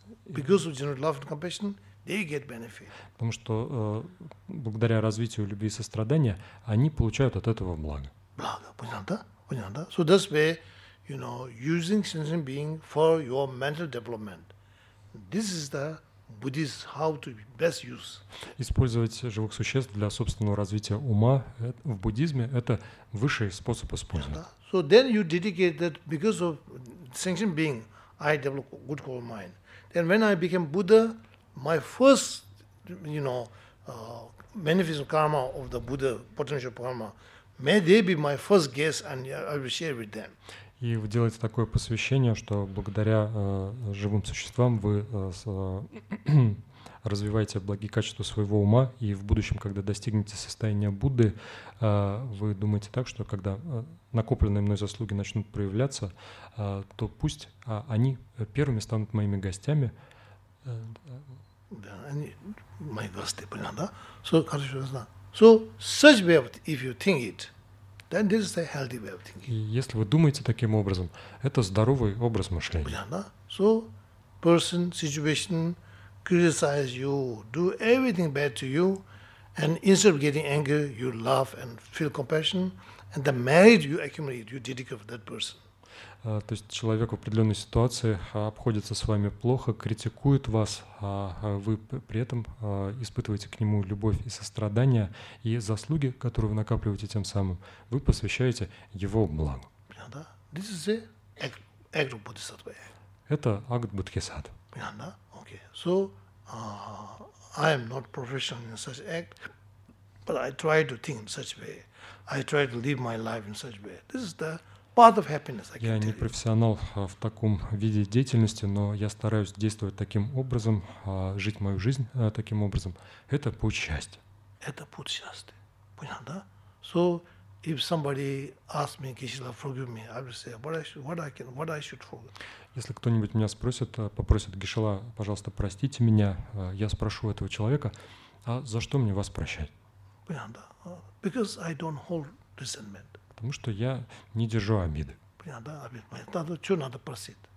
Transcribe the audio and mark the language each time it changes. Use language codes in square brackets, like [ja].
[en] Because of generating love and compassion, they get benefit. [ru] Потому что благодаря развитию любви и сострадания они получают от этого благо. Благо, понятно, понятно. [en] So that's where, you know, using sentient being for your mental development. This is the Buddhist how to best use. [ru] Использовать живых существ для собственного развития ума в буддизме – это высший способ использования. [en] Yeah, so then you dedicate that because of sentient being, I develop good quality of mind. Then when I became Buddha, my first, you know, manifest karma of the Buddha, potential karma, may they be my first guest and I will share with them. [ru] И вы делаете такое посвящение, что благодаря живым существам вы развиваете благие качества своего ума, и в будущем, когда достигнете состояния Будды, вы думаете так, что когда накопленные мной заслуги начнут проявляться, то пусть они первыми станут моими гостями. Да, они мои гости, понятно, да? So, хорошо, я знаю. [en] So, such way, if you think it, then this is a healthy way of thinking. [ru] Если вы думаете таким образом, это здоровый образ мышления. Понятно? [en] So, person, situation, criticize you, do everything bad to you, and instead of getting anger, you love and feel compassion, and the merit you accumulate, you dedicate for that person. [ru] То есть человек в определенной ситуации обходится с вами плохо, критикует вас, а вы при этом испытываете к нему любовь и сострадание, и заслуги, которые вы накапливаете тем самым, вы посвящаете его благу. [en] This is act of bodhisattva. [ru] Это акт бодхисаттвы. Понятно? [en] Okay. So, I am not professional in such act, but I try to think in such way. I try to live my life in such way. This is the part of happiness, I can tell you. [ru] Я не профессионал в таком виде деятельности, но я стараюсь действовать таким образом, жить мою жизнь таким образом. Это путь счастья. Это путь счастья. Понял, да? [en] So, if somebody asks me, Кришна, forgive me, I will say, what I should forgive. [ru] Если кто-нибудь меня спросит, попросит, Кришна, пожалуйста, простите меня, я спрошу этого человека, а за что мне вас прощать? Понял, да? [en] Because I don't hold resentment. [ru] Потому что я не держу обиды. Понятно, обид. Надо, что надо просить?